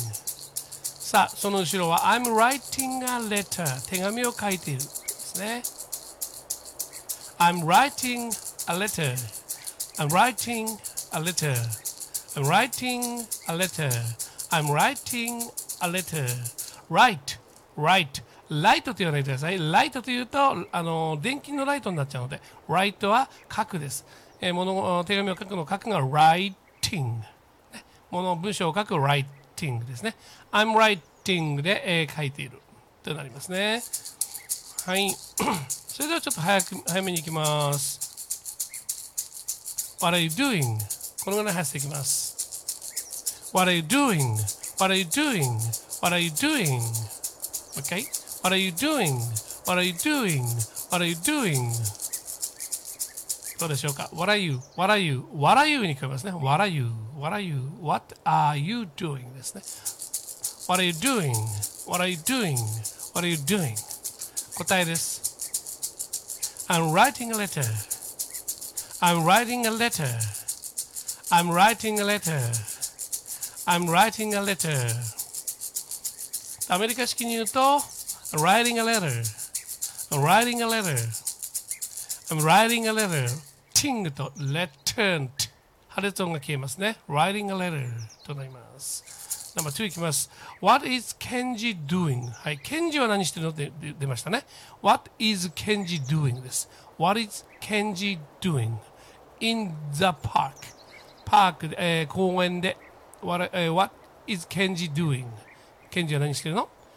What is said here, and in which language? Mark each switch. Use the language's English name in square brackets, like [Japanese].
[Japanese] さあ、その後ろは [English] I'm writing a letter. [Japanese] 手紙を書いているですね。 [English] I'm writing a letter. I'm writing a letter. I'm writing a letter. I'm writing a letter. Write, write. [Japanese] Light と言わないでください。Light というと電気のライトになっちゃうので、Write は書くです。手紙を書くの書くが Writing。文章を書く Writing ですね。 I'm writing で、書いているとなりますね。はい。それではちょっと早めに行きます。 [English] What are you doing? [Japanese] このぐらい早くしていきます。 [English] What are you doing? What are you doing? What are you doing? Okay. What are you doing? What are you doing? What are you doing? [Japanese] どうでしょうか。 [English] What are you? What are you? What are you? [Japanese] に聞こえますね。 [English] What are you? What are you? What are you doing? [Japanese] ですね。 [English] What are you doing? What are you doing? What are you doing? [Japanese] 答えです。 [English] I'm writing a letter. I'm writing a letter. I'm writing a letter. I'm writing a letter. [Japanese] アメリカ式に言うと、 [English] writing a letter. I'm writing a letter. I'm writing a letter. [Japanese] Ting と letter. 破裂音が消えますね。 [English] writing a letter [Japanese] となります。ナンバー2いきます。 [English] What is Kenji doing? はい。 [Japanese] Kenji は何してるのって出ましたね。 [English] What is Kenji doing? [Japanese] です。 [English] What is Kenji doing? In the park. [Japanese] パーク、公園で。 [English] What is Kenji doing? [Japanese] Kenji は何してるの?